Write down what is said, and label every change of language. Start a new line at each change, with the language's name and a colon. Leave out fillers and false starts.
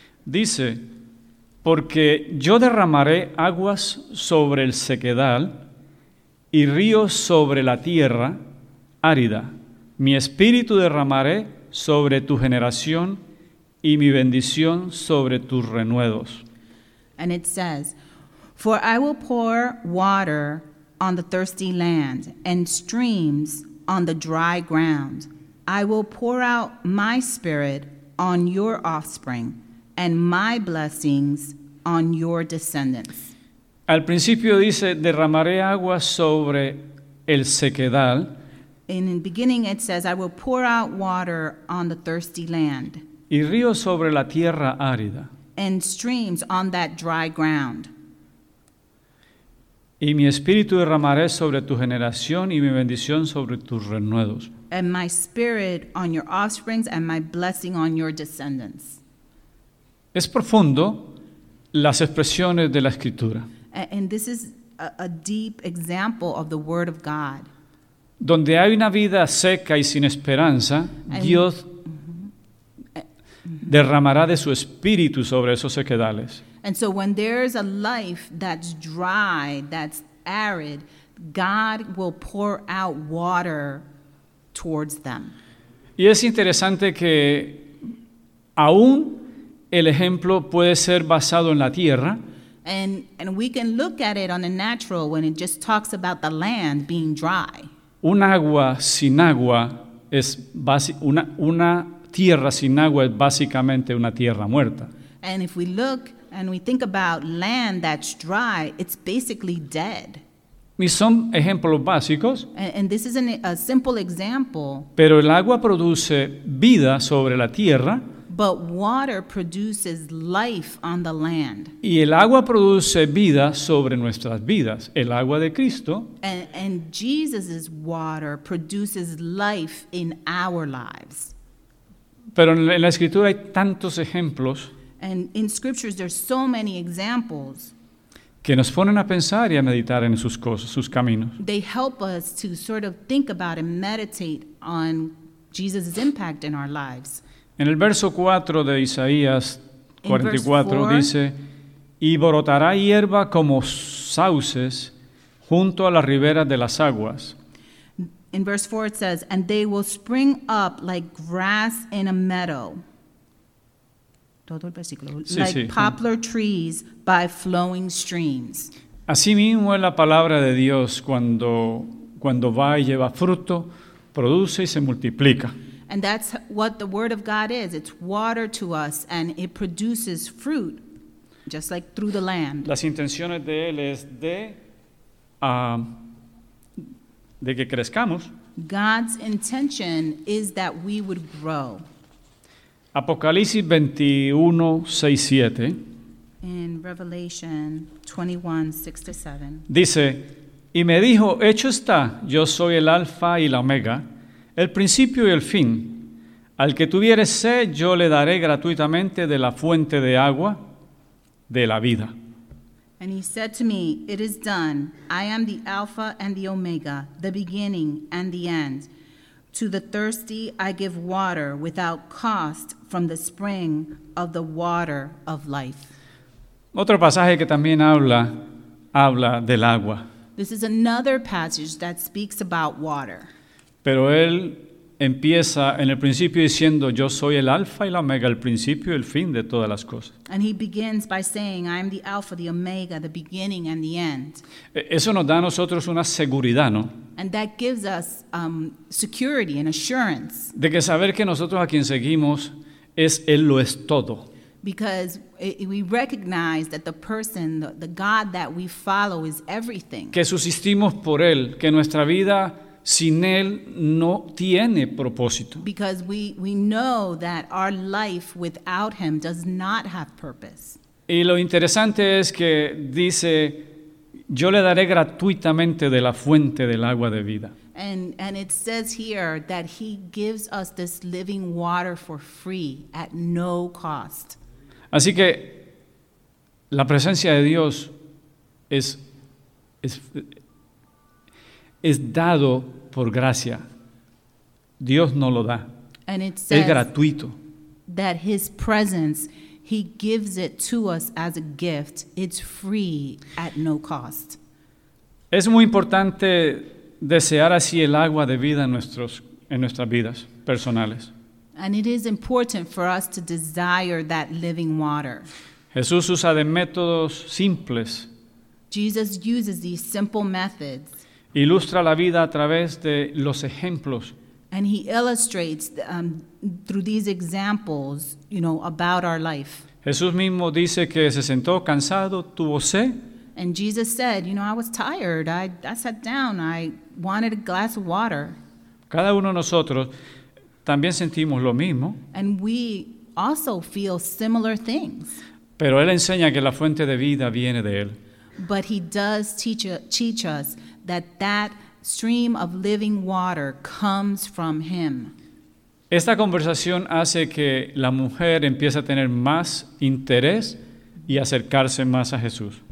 Spanish: Dice, porque yo derramaré aguas sobre el sequedal y ríos sobre la tierra árida. Mi espíritu derramaré sobre tu generación y mi bendición sobre tus renuevos.
English: And it says, for I will pour water on the thirsty land and streams on the dry ground. I will pour out my spirit on your offspring and my blessings on your descendants.
Spanish: Al principio dice, derramaré agua sobre el sequedal.
English: In the beginning it says, I will pour out water on the thirsty land.
Spanish: Y río sobre la tierra árida.
English: And streams on that dry ground.
Spanish: Y mi espíritu derramaré sobre tu generación y mi bendición sobre tus renuevos.
English: And my spirit on your offsprings and my blessing on your descendants.
Spanish: Es profundo las expresiones de la Escritura.
English: And this is a deep example of the Word of God.
Spanish: Donde hay una vida seca y sin esperanza, Dios derramará de su espíritu sobre esos sequedales.
English: And so when there's a life that's dry, that's arid, God will pour out water towards them.
Spanish: Y es interesante que aún el ejemplo puede ser basado en la tierra.
English: And we can look at it on the natural when it just talks about the land being dry.
Spanish: Un agua sin agua es una tierra sin agua es básicamente una tierra muerta.
English: And if we look and we think about land that's dry, it's basically dead.
Spanish: Y son ejemplos básicos.
English: And this is a simple example.
Spanish: Pero el agua produce vida sobre la tierra.
English: But water produces life on the land.
Spanish: Y el agua produce vida sobre nuestras vidas, el agua de Cristo.
English: And Jesus's water produces life in our lives.
Spanish: Pero en la Escritura hay tantos ejemplos.
English: And in scriptures there's so many examples.
Spanish: Que nos ponen a pensar y a meditar en sus cosas, sus caminos.
English: They help us to sort of think about and meditate on Jesus's impact in our lives.
Spanish: En el verso 4 de Isaías 44 dice, y brotará hierba como sauces junto a las riberas de las aguas.
English: In verse 4 it says, and they will spring up like grass in a meadow.
Spanish: Todo el versículo. Sí,
English: like
Spanish: sí,
English: poplar trees by flowing streams.
Spanish: Así mismo es la palabra de Dios cuando va y lleva fruto, produce y se multiplica.
English: And that's what the Word of God is. It's water to us, and it produces fruit, just like through the land.
Spanish: Las intenciones de él es de de que crezcamos.
English: God's intention is that we would grow.
Spanish: Apocalipsis 21, 6, 7.
English: In Revelation 21, 6 to 7.
Spanish: Dice, y me dijo, hecho está, yo soy el alfa y la omega, el principio y el fin. Al que tuviere sed, yo le daré gratuitamente de la fuente de agua de la vida.
English: And he said to me, it is done. I am the Alpha and the Omega, the beginning and the end. To the thirsty, I give water without cost from the spring of the water of life.
Spanish: Otro pasaje que también habla del agua.
English: This is another passage that speaks about water.
Spanish: Pero él empieza en el principio diciendo, yo soy el alfa y la omega, el principio y el fin de todas las cosas.
English: And he begins by saying, I am the alpha, the omega, the beginning and the end.
Spanish: Eso nos da a nosotros una seguridad, ¿no?
English: And that gives us security and assurance.
Spanish: De que saber que nosotros a quien seguimos es Él lo es todo.
English: Because we recognize that the person, the God that we follow is everything.
Spanish: Que subsistimos por Él, que nuestra vida sin Él no tiene propósito.
English: Because we know that our life without Him does not have purpose.
Spanish: Y lo interesante es que dice, yo le daré gratuitamente de la fuente del agua de vida.
English: And it says here that He gives us this living water for free at no cost.
Spanish: Así que la presencia de Dios es dado por gracia. Dios no lo da.
English: And it says
Spanish: es gratuito.
English: That His presence, He gives it to us as a gift. It's free at no cost.
Spanish: Es muy importante desear así el agua de vida en nuestras vidas personales.
English: And it is important for us to desire that living water.
Spanish: Jesús usa de métodos simples.
English: Jesus uses these simple methods.
Spanish: Ilustra la vida a través de los ejemplos.
English: And he illustrates through these examples, you know, about our life.
Spanish: Jesús mismo dice que se sentó cansado, tuvo sed.
English: And Jesus said, you know, I was tired. I sat down. I wanted a glass of water.
Spanish: Cada uno de nosotros también sentimos lo mismo.
English: And we also feel similar things.
Spanish: Pero él enseña que la fuente de vida viene de él.
English: But he does teach us that stream of living water comes from Him.
Spanish: Esta conversación hace que la mujer empiece a tener más interés y acercarse más a Jesús.